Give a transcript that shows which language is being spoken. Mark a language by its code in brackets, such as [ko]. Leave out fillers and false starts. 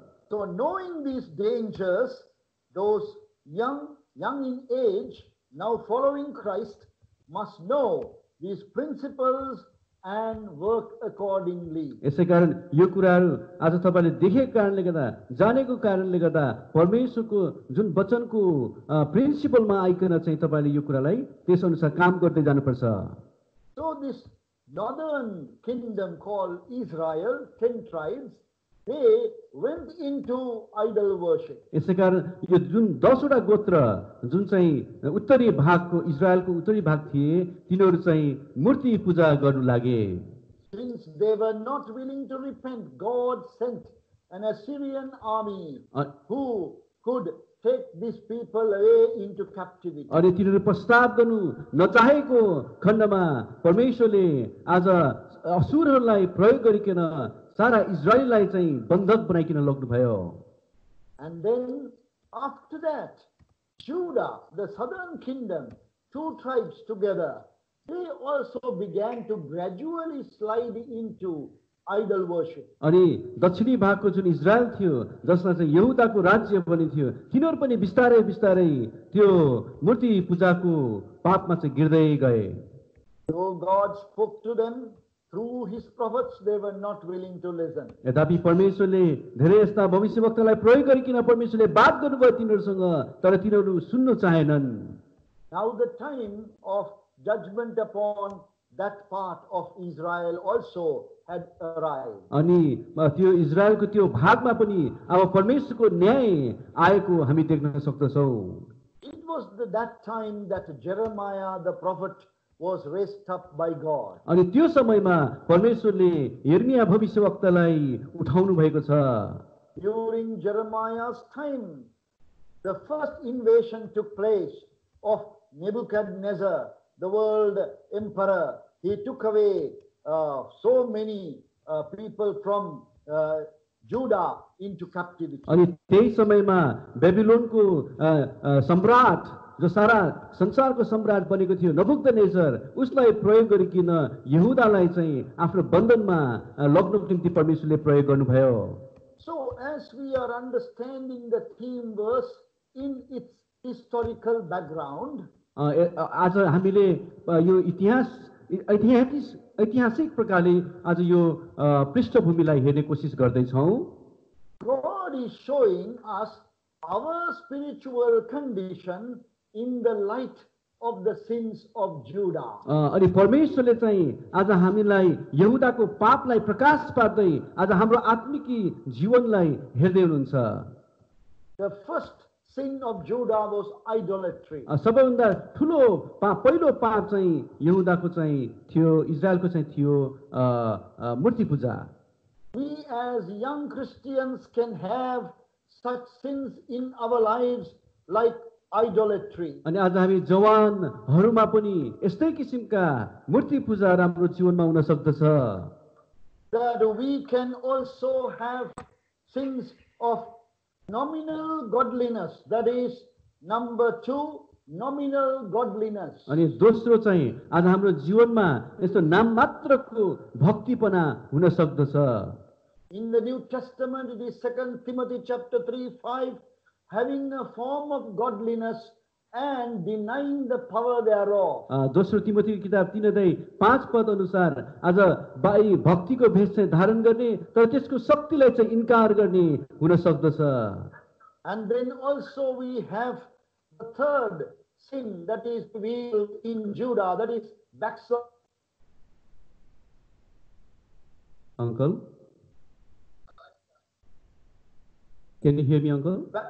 [en] So knowing these dangers, those young in age now following Christ must know these principles and work accordingly. [ne] यसैकारण यो कुराहरू आज तपाईँले देखेको कारणले गर्दा, जानेको कारणले गर्दा, परमेश्वरको जुन वचनको प्रिन्सिपलमा आइकन चाहिँ तपाईँले यो कुरालाई त्यस अनुसार काम गर्दै जानुपर्छ. [en] So this northern kingdom called Israel, 10 tribes, they went into idol worship. [ne] यसैकारण यो जुन दसवटा गोत्र जुन चाहिँ उत्तरी भागको, इजरायलको उत्तरी भाग थिए, तिनीहरू चाहिँ मूर्ति पूजा गर्नु लागे. [en] Since they were not willing to repent, God sent an Assyrian army who could take these people away into captivity. [ne] और तिनीहरु पश्चाताप गर्नु नचाहेको खण्डमा परमेश्वरले आज असुरहरूलाई प्रयोग गरिकन सारा इजरायललाई चाहिँ बन्धक बनाइकन लग्नु भयो. [en] And then after that, Judah, the southern kingdom, two tribes together, they also began to gradually slide into idol worship. [ne] अनि दक्षिणी भागको जुन इजरायल थियो जसलाई चाहिँ यहुदाको राज्य पनि थियो तिनीहरू पनि बिस्तारै बिस्तारै त्यो मूर्ति पूजाको पापमा चाहिँ गिर्दै गए. [en] So God spoke to them through his prophets, they were not willing to listen. [ne] यद्यपि परमेश्वरले धेरै यस्ता भविष्यवक्तालाई प्रयोग गरिकन परमेश्वरले बात गर्नुभयो तिनीहरूसँग तर तिनीहरू सुन्न चाहेनन्. [en] Now the time of judgment upon that part of Israel also had arrived. [ne] अनि त्यो इजरायलको त्यो भागमा पनि अब परमेश्वरको न्याय आएको हामी देख्न सक्दछौ. [en] It was that time that Jeremiah the prophet was raised up by God. [ne] अनि त्यो समयमा परमेश्वरले यर्मिया भविष्यवक्तालाई उठाउनु भएको छ. [en] During Jeremiah's time, the first invasion took place of Nebuchadnezzar, the world emperor. He took away so many people from Judah into captivity. [ne] अनि त्यही समयमा बेबिलोनको सम्राट जो सारा संसारको सम्राट बनेको थियो नबुकदनेजर उसलाई प्रयोग गरिकन यहुदालाई चाहिँ आफ्नो बन्धनमा लग्नको निम्ति परमेश्वरले प्रयोग गर्नुभयो. [en] So as we are understanding the theme verse in its historical background, [ne] आज हामीले यो इतिहास ऐतिहासिक प्रकारले आज यो पृष्ठभूमिलाई हेर्ने कोसिस गर्दैछौ. [en] God is showing us our spiritual condition in the light of the sins of Judah. [ne] अनि परमेश्वरले चाहिँ आज हामीलाई यहुदाको पापलाई प्रकाश पार्दै आज हाम्रो आत्मिक जीवनलाई हेर्दै हुनुहुन्छ. [en] The first sin of Judah was idolatry. [ne] सबैभन्दा ठुलो पहिलो पाप चाहिँ यहुदाको चाहिँ थियो इजरायलको चाहिँ थियो मूर्ति पूजा. [en] We as young Christians can have such sins in our lives like idolatry. [ne] अनि आज हामी जवानहरूमा पनि यस्तै किसिमका मूर्ति पूजा हाम्रो जीवनमा हुन सक्दछ. [en] That we can also have sins of nominal godliness, that is number two, nominal godliness. [ne] अनि दोस्रो चाहिँ आज हाम्रो जीवनमा यस्तो नाम मात्रको भक्तिपना हुन सक्दछ. [en] In the New Testament, it is 2 Timothy chapter 3, 5, having a form of godliness and denying the power thereof. [ne] दोस्रो तिमोथी किताब 3:5 पद अनुसार आज बाई भक्तिको भेष चाहिँ धारण गर्ने तर त्यसको शक्तिलाई चाहिँ इन्कार गर्ने हुन सक्दछ. [en] And then also we have the third sin that is revealed in Judah, that is backslide. Uncle, can you hear me, uncle?